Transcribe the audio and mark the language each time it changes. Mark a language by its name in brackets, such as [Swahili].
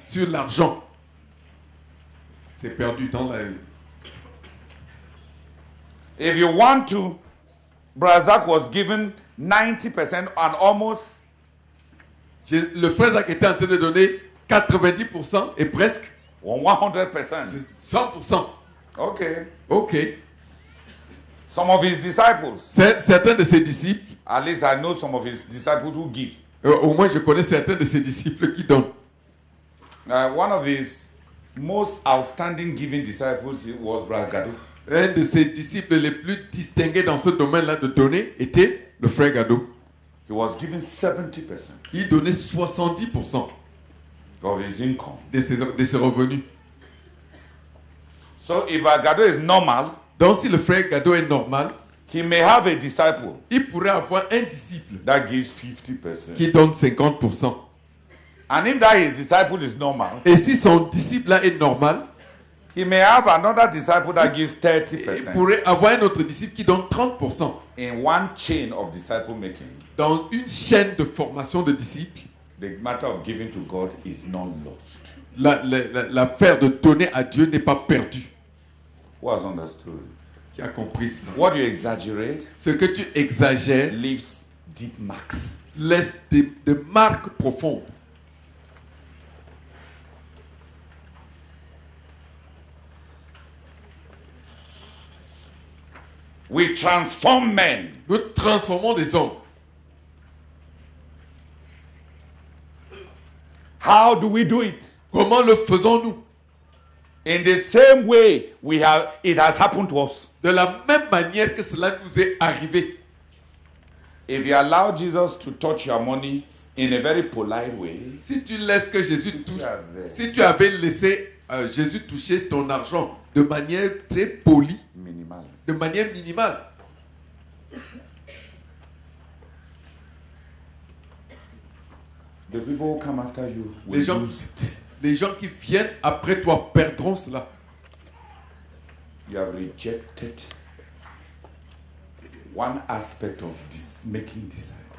[French] Sur l'argent, c'est perdu dans la. [English] If you want to, Brazak was given 90% and almost. [French] Le frère Zach était en train de donner 90% et presque. 100%. 100%. [English] OK. OK. Some of his disciples. [French] Certains de ses disciples. [English] At least I know some of his disciples who give. [French] Au moins je connais certains de ses disciples qui donnent. [English] One of his most outstanding giving disciples was Brother Gadou. [French] Un de ses disciples les plus distingués dans ce domaine-là de donner était le frère Gadou. [English] He was giving 70%. [French] Il donnait 70% [English] of his income. [French] De ses revenus. [English] So if Brother Gadou is normal. [French] Donc si le frère Gadou est normal, [English] he may have a disciple. [French] Il pourrait avoir un disciple [English] that gives 50%. [French] Qui donne 50%. [English] And if that his disciple is normal, [French] et si son disciple là est normal, [English] he may have another disciple that gives 30%. [French] Il pourrait avoir un autre disciple qui donne 30%. [English] In one chain of disciple making, [French] dans une chaîne de formation de disciples, [English] the matter of giving to God is not lost. [French] L'affaire de donner à Dieu n'est pas perdue. [English] Who has understood? [French] Qui a compris? [English] What you exaggerate? [French] Ce que tu exagères [English] leaves deep marks. [French] Laisse des marques profondes. [English] We transform men. [French] Nous transformons des hommes. [English] How do we do it? [French] Comment le faisons-nous? [English] In the same way we have, it has happened to us. [French] De la même manière que cela nous est arrivé. [English] If you allow Jesus to touch your money in a very polite way. [French] Si tu laisses que Jésus touche, si tu avais laissé Jésus toucher ton argent de manière très polie, [English] minimal. [French] De manière minimale. [English] The people who come after you will [French] les gens, [English] lose it. [French] Les gens qui viennent après toi perdront cela. [English] You have rejected one aspect of this, making disciples.